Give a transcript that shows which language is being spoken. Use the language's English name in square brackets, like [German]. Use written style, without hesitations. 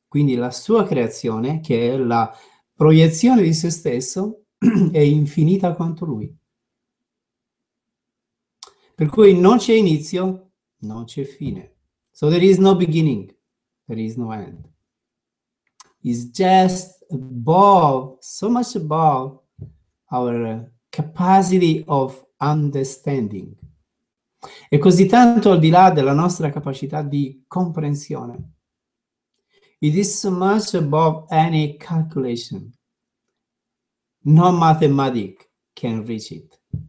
[Italian] Quindi la sua creazione, che è la proiezione di se stesso, è infinita quanto lui. Per cui non c'è inizio, non c'è fine. [English] So there is no beginning, there is no end. It's just above, so much above our capacity of understanding. [Italian] È così tanto al di là della nostra capacità di comprensione. [English] It is so much above any calculation. No mathematics can reach it.